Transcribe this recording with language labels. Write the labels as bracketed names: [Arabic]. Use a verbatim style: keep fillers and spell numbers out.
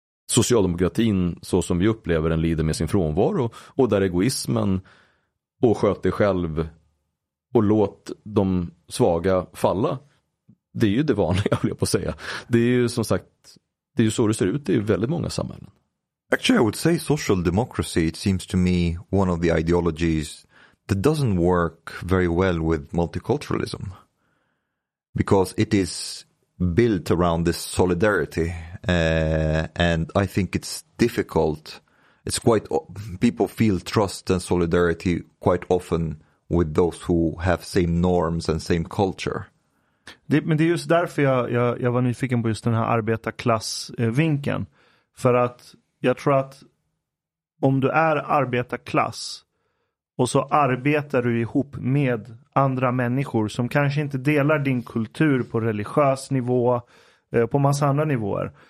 [Swedish] socialdemokratin så som vi upplever den lider med sin frånvaro, och där egoismen och sköt dig själv och låt de svaga falla. Det är ju det vanliga, vill jag på att säga. Det är ju som sagt, det är ju så det ser ut i väldigt många samhällen. [English] Actually, I would say social democracy, it seems to me one of the ideologies that doesn't work very well with multiculturalism, because it is built around this solidarity, uh, and I think it's difficult. It's quite, people feel trust and solidarity quite often with those who have same norms and same culture. [Swedish] Det, men det är just därför jag, jag, jag var nyfiken på just den här arbetarklassvinkeln. För att jag tror att om du är arbetarklass och så arbetar du ihop med andra människor som kanske inte delar din kultur på religiös nivå, på massa andra nivåer.